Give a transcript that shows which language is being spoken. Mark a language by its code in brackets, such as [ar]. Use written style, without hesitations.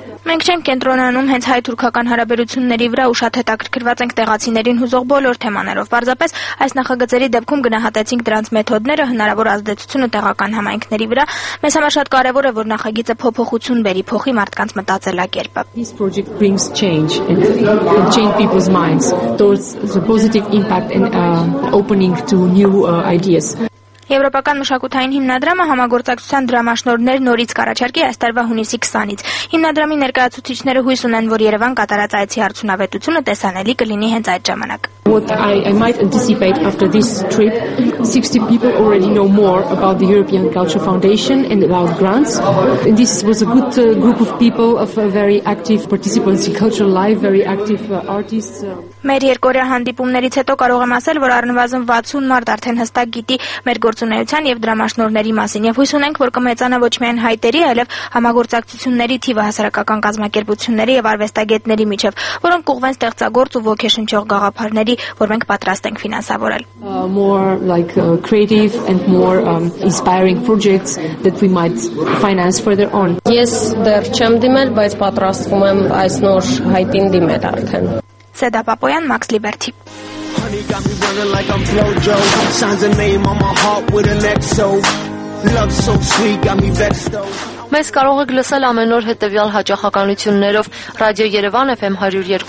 [hy] Մենք չենք կենտրոնանում հենց հայ-թուրքական հարաբերությունների վրա ու շատ հետաքրքրված ենք տեղացիներին հուզող բոլոր թեմաներով։ Պարզապես այս նախագծերի դեպքում գնահատեցինք դրանց մեթոդները, հնարավոր ազդեցությունը տեղական համայնքների վրա։ Մեզ համար շատ կարևոր է, որ նախագիծը փոփոխություն բերի, փոխի մարդկանց մտածելակերպը։ [en] This project brings change and change people's minds towards the positive impact and opening to new ideas. [hy] Եվրոպական մշակութային հիմնադրամը համագործակցության դրամաշնորներ նորից կառաջարկի այս տարվա հունիսի 20-ից։ Հիմնադրամի ներկայացուցիչները հույս ունեն, որ Երևան կատարած այցի արդյունավետությունը տեսանելի կլինի հենց այդ ժամանակ։ [en] What I might anticipate after this trip, 60 people already know more about the European Culture Foundation and about grants. And this was a good group of people of a very active participants in cultural life, very active artists. [hy] Մեր երկօրյա հանդիպումներից հետո կարող եմ ասել, որ առնվազն 60 մարդ արդեն հստակ գիտի մեր գործունեության եւ դրամաշնորների մասին եւ հույս ունենք, որ կմեծանա ոչ միայն հայտերի, այլեւ համագործակցությունների թիվը հասարակական կազմակերպությունների եւ արվեստագետների միջեւ, որոնք կուղվեն ստեղծագործ ու ոգեշնչող գաղափարների, որ մենք պատրաստ ենք ֆինանսավորել. [en] More like creative and more inspiring projects that we might finance further on. [hy] Yes, դեռ չեմ դիմել, բայց պատրաստվում եմ այս նոր հայտին դիմել արդեն. Սեդա Պապոյան, Max Liberty. [en] Honey got me running like I'm Flojo. Signs a name on my heart with an XO. Love so sweet, got me vexed though. [hy] Մենք կարող եք լսել ամենօր հետևյալ հաճախականություններով Ռադիո Երևան FM 102.